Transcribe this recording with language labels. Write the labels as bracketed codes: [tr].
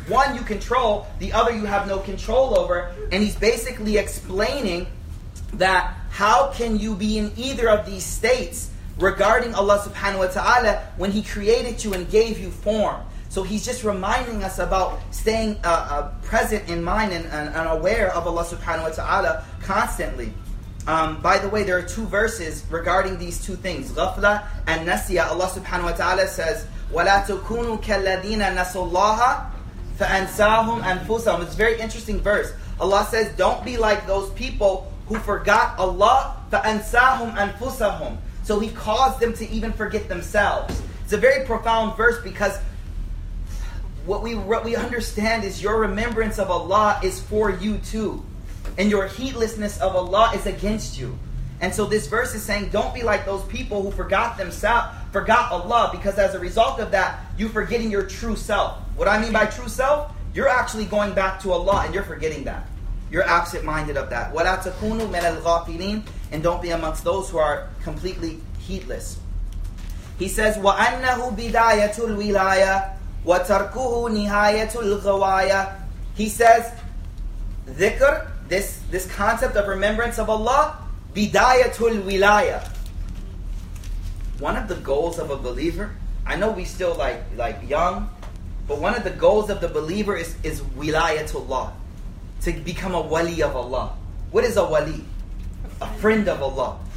[en] One you control, the other you have no control over. And he's basically explaining that how can you be in either of these states regarding Allah subhanahu wa ta'ala when He created you and gave you form. So he's just reminding us about staying present in mind and aware of Allah subhanahu wa ta'ala constantly. By the way, there are two verses regarding these two things, ghafla and nasiya. [ar] Allah subhanahu wa ta'ala [en] says, [ar] وَلَا تُكُونُوا كَالَّذِينَ نَسُوا اللَّهَ فَأَنْسَاهُمْ أَنْفُسَهُمْ. [en] It's a very interesting verse. Allah says, don't be like those people who forgot Allah, [ar] فَأَنْسَاهُمْ أَنْفُسَهُمْ. [en] So He caused them to even forget themselves. It's a very profound verse because what we understand is your remembrance of Allah is for you too. And your heedlessness of Allah is against you. And so this verse is saying, don't be like those people who forgot themselves, forgot Allah, because as a result of that, you're forgetting your true self. What I mean by true self, you're actually going back to Allah and you're forgetting that. You're absent-minded of that. [ar] وَلَا تَكُونُوا مِنَ الْغَافِلِينَ. [en] And don't be amongst those who are completely heedless. He says, [ar] وَأَنَّهُ بِدَايَةُ الْوِلَايَةِ وَتَرْكُهُ نِهَايَةُ الْغَوَايَةِ. [en] He says, ذِكْر, this concept of remembrance of Allah, [ar] بِدَايَةُ الْوِلَايَةِ. [en] One of the goals of a believer, I know we still like young, but one of the goals of the believer is wilayatullah, to become a wali of Allah. What is a wali? A friend of Allah.